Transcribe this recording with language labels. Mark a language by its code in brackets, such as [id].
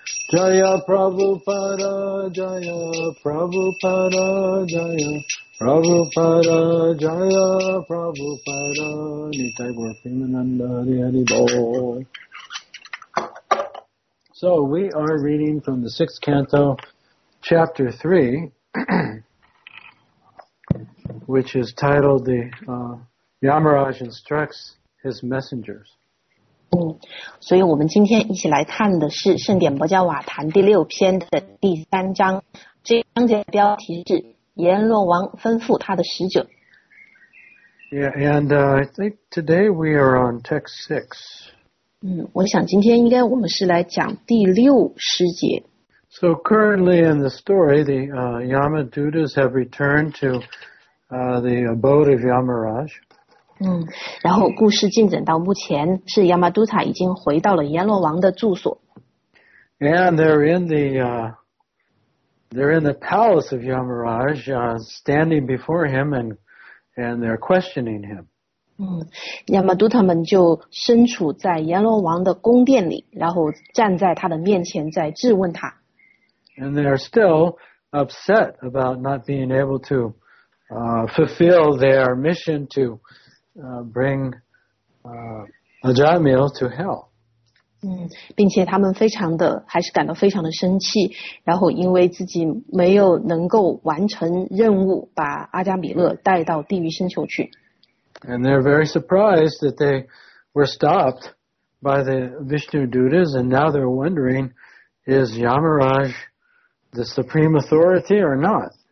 [en] Jaya Prabhupada, Jaya Prabhupada, Jaya Prabhupada, Jaya Prabhupada, Nitai Gopinanda, Hare Hare Bol. So we are reading from the sixth canto, chapter 3. Which is titled the Yamaraj instructs his messengers. [zh] 所以我们今天一起来看的是圣典博加瓦坛第六篇的第三章。这章节的标题是阎罗王吩咐他的使者。 [en] Yeah, and I think today we are on text 6. [zh] 我想今天应该我们是来讲第六诗节。 [en] So currently in the story, the Yamadutas have returned to. The abode of Yamaraj. [zh] 然后故事进展到目前是 Yamaduta 已经回到了阎罗王的住所。 [en] And they're in the palace of Yamaraj, standing before him and they're questioning him. [zh] Yamaduta 们就身处在阎罗王的宫殿里，然后站在他的面前在质问他。 [en] And they're still upset about not being able to. Fulfill their mission to bring Ajamil to hell. [zh] 并且他们非常的还是感到非常的生气，然后因为自己没有能够完成任务，把阿加米勒带到地狱星球去。 [en] And they're very surprised that they were stopped by the Vishnu Dutas, and now they're wondering, is Yamaraj the supreme authority or not?